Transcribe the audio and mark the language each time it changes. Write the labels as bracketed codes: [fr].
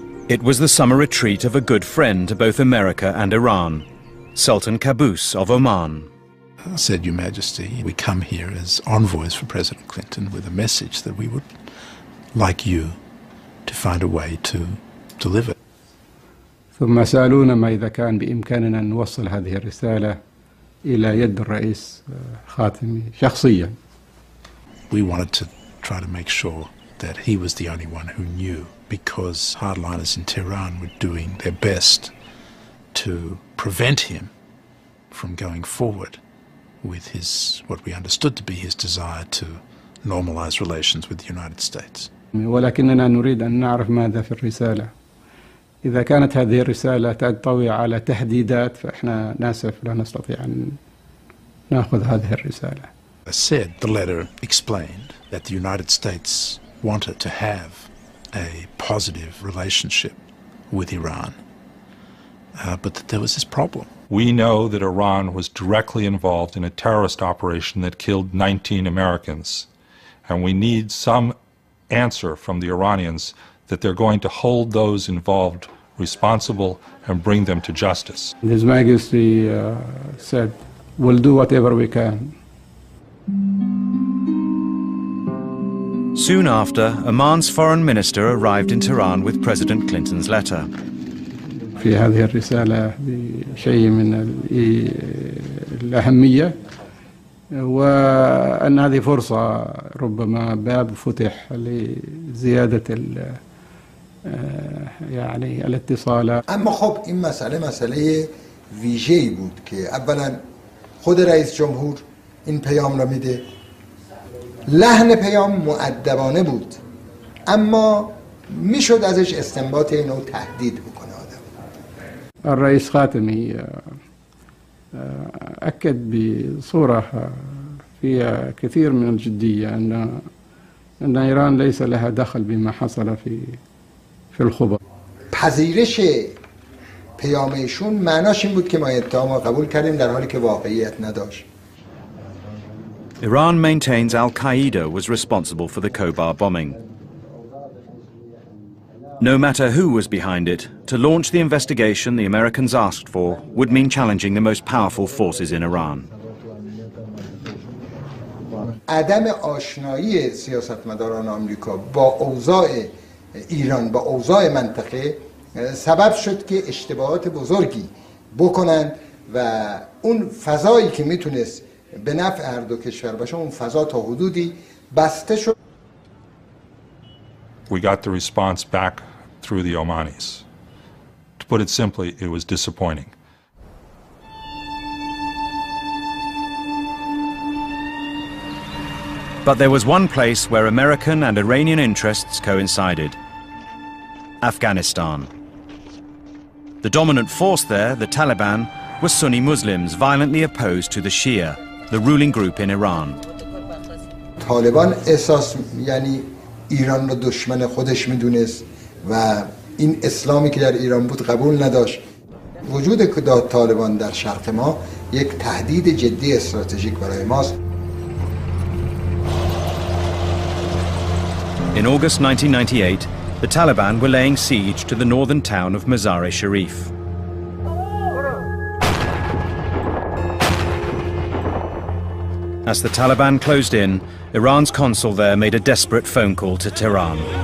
[en] It was the summer retreat of a good friend to both America and Iran, Sultan Qaboos of Oman. I said, Your Majesty, we come here as envoys for President Clinton with a message that we would like you to find a way to deliver. [ar] ثم سألونا ما إذا كان بإمكاننا نوصل هذه الرسالة إلى يد الرئيس خاتمي شخصيا. [en] We wanted to try to make sure that he was the only one who knew, because hardliners in Tehran were doing their best to prevent him from going forward with his, what we understood to be his desire to normalize relations with the United States. [ar] ولكننا نريد أن نعرف ماذا في الرسالة. إذا كانت هذه الرسالة تنطوي على تهديدات فإحنا ناسف لا نستطيع أن نأخذ هذه الرسالة. [en] I said the letter explained that the United States wanted to have a positive relationship with Iran, but that there was this problem. We know that Iran was directly involved in a terrorist operation that killed 19 Americans, and we need some answer from the Iranians that they're going to hold those involved responsible and bring them to justice. His Majesty said, we'll do whatever we can. Soon after, Oman's foreign minister arrived in Tehran with President Clinton's letter. [ar] في هذه الرسالة بشيء من الأهمية وأن هذه فرصة ربما باب فتح لزيادة يعني الاتصال [fa] اما خب این مسئله مسئله ویژه‌ای بود که اولا خود رئیس جمهور این پیام را میده لحن پیام مؤدبانه بود اما میشد ازش استنباط اینو تهدید بکنه آدم [ar] الرئیس خاتمی اكد بصوره فيها كثير من الجدية أن إيران ليس لها دخل بما حصل في الخبر. [fa] پذیرش پیام ایشون معناش این بود که ما اتهام را قبول کردیم در حالی که واقعیت نداشت. [en] Iran maintains Al-Qaeda was responsible for the Khobar bombing. No matter who was behind it, to launch the investigation the Americans asked for would mean challenging the most powerful forces in Iran. [fa] عدم آشنایی سیاستمداران آمریکا با اوضاع ایران با اوضاع منطقه سبب شد که اشتباهات بزرگی بکنن و اون فضایی که میتونست به نفع هر دو کشور باشه اون فضا تا حدودی بسته شد. [en] We got the response back through the Omanis. To put it simply, it was disappointing. But there was one place where American and Iranian interests coincided. Afghanistan. The dominant force there, the Taliban, were Sunni Muslims violently opposed to the Shia, the ruling group in Iran. [fa] Taliban احساس یعنی ایران رو دشمن خودش میدونست و این اسلامی که در ایران بود قبول نداشت. وجود که طالبان در شرق ما یک تهدید جدی استراتژیک برای ماست. [en] In August 1998, the Taliban were laying siege to the northern town of Mazar-e-Sharif. As the Taliban closed in, Iran's consul there made a desperate phone call to Tehran.